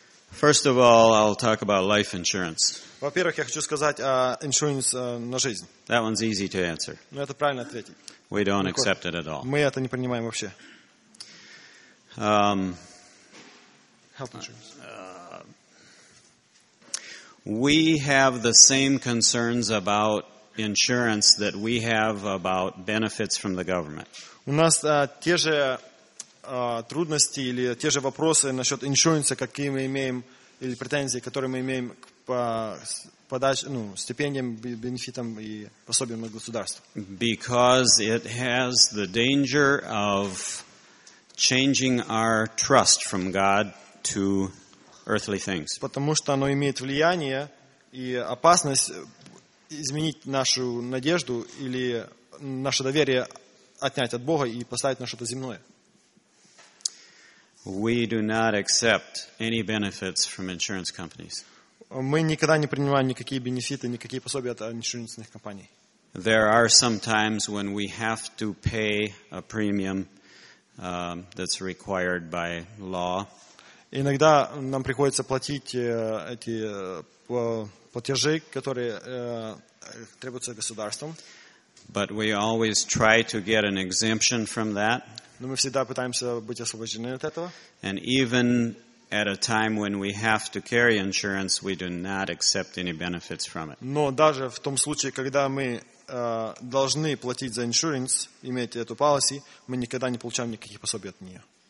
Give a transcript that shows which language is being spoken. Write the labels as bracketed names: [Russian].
[English] First of all, I'll talk about life insurance. [Russian] Во-первых, я хочу сказать о insurance на жизнь. [English] That one's easy to answer. [Russian] Ну, это правильно ответить. [English] We don't accept it at all. [Russian] Мы это не принимаем вообще. [English] Health insurance. We have the same concerns about insurance that we have about benefits from the government. [Russian] У нас те же трудности или те же вопросы насчет insurance, какие мы имеем, или претензии, которые мы имеем к подаче, ну, стипендиям, бенефитам и пособиям от государства. [English] Because it has the danger of changing our trust from God to earthly things. [Russian] Потому что оно имеет влияние и опасность изменить нашу надежду или наше доверие отнять от Бога и поставить на что-то земное. [English] We do not accept any benefits from insurance companies. [Russian] Мы никогда не принимаем никакие бенефиты, никакие пособия от инсурансных компаний. [English] There are some times when we have to pay a premium that's required by law. [Russian] Иногда нам приходится платить эти платежи, которые требуются государством. [English] But we always try to get an exemption from that. [Russian] Но мы всегда пытаемся быть освобождены от этого. [English] And even at a time when we have to carry insurance, we do not accept any benefits from it. [Russian] Но даже в том случае, когда мы должны платить за insurance, иметь эту policy, мы никогда не получаем никаких пособий от нее.